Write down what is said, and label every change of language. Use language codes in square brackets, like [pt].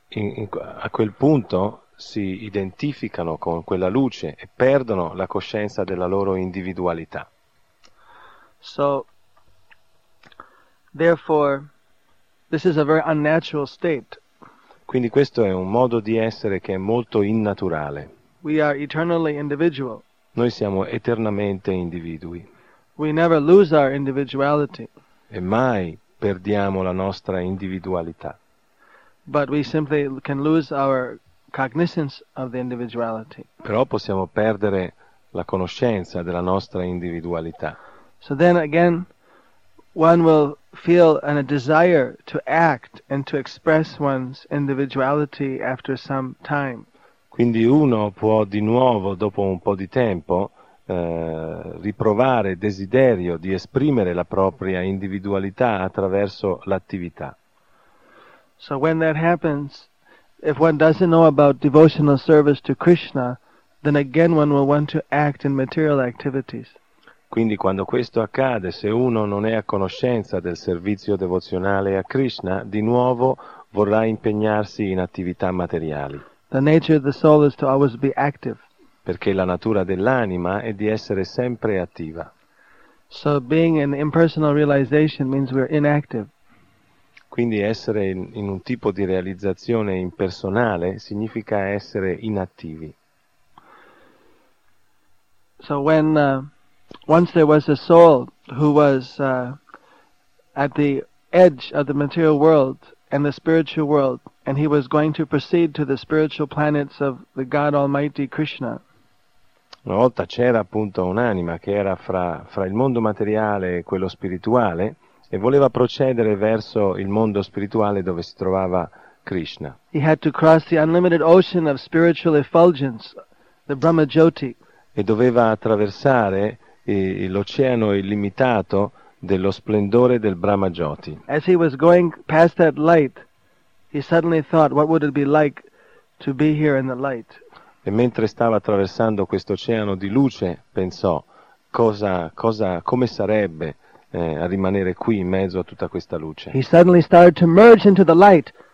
[it] A quel punto si identificano con quella luce e perdono la coscienza della loro individualità. [en] So therefore, this is a very unnatural state. [it] Quindi questo è un modo di essere che è molto innaturale. [en] We are eternally individual. [it] Noi siamo eternamente individui. [en] We never lose our individuality. [it] E mai perdiamo la nostra individualità. [en] But we simply can lose our cognizance of the individuality. [it] Però possiamo perdere la conoscenza della nostra individualità. [en] So then again, one will feel a desire to act and to express one's individuality after some time. [it] Quindi uno può di nuovo, dopo un po' di tempo, riprovare desiderio di esprimere la propria individualità attraverso l'attività. [en] So when that happens, if one doesn't know about devotional service to Krishna, then again one will want to act in material activities. [it] Quindi quando questo accade, se uno non è a conoscenza del servizio devozionale a Krishna, di nuovo vorrà impegnarsi in attività materiali. [en] The nature of the soul is to always be active. [it] Perché la natura dell'anima è di essere sempre attiva. [en] So being an impersonal realization means we're inactive. [it] Quindi essere in un tipo di realizzazione impersonale significa essere inattivi. [en] So when once there was a soul who was at the edge of the material world and the spiritual world, and he was going to proceed to the spiritual planets of the God Almighty Krishna. [it] Una volta c'era appunto un'anima che era fra il mondo materiale e quello spirituale e voleva procedere verso il mondo spirituale dove si trovava Krishna. [en] He had to cross the unlimited ocean of spiritual effulgence, the Brahma Jyoti. [it] E doveva attraversare l'oceano illimitato dello splendore del Brahma Jyoti. [en] As he was going past that light, he suddenly thought, what would it be like to be here in the light? [it] E mentre stava attraversando questo oceano di luce, pensò, come sarebbe a rimanere qui in mezzo a tutta questa luce. [en] He suddenly started to merge into the light.